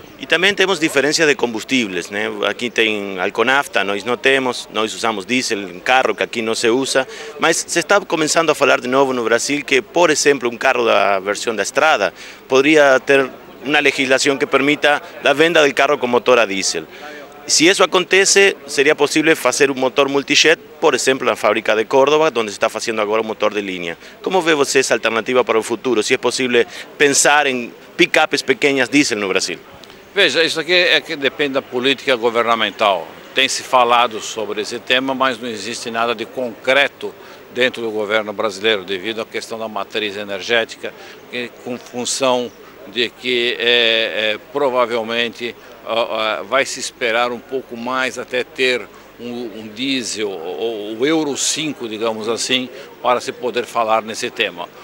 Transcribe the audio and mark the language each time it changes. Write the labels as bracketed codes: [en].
[pt] E também temos diferença de combustíveis, né? Aqui tem álcool nafta, nós não temos, nós usamos diesel em carro, que aqui não se usa, mas se está começando a falar de novo no Brasil que, por exemplo, um carro da versão da Estrada poderia ter uma legislação que permita a venda do carro com motor a diesel. [es] Si eso acontece, sería posible hacer un motor multijet, por ejemplo, en la fábrica de Córdoba, donde se está haciendo ahora un motor de línea. ¿Cómo ve usted esa alternativa para el futuro? Si es posible pensar en pick-ups pequeñas diésel en Brasil. [pt] Veja, isso aqui é que depende da política governamental. Tem se falado sobre esse tema, mas não existe nada de concreto dentro do governo brasileiro, devido à questão da matriz energética, com função de que provavelmente vai se esperar um pouco mais até ter um diesel, ou o Euro 5, digamos assim, para se poder falar nesse tema.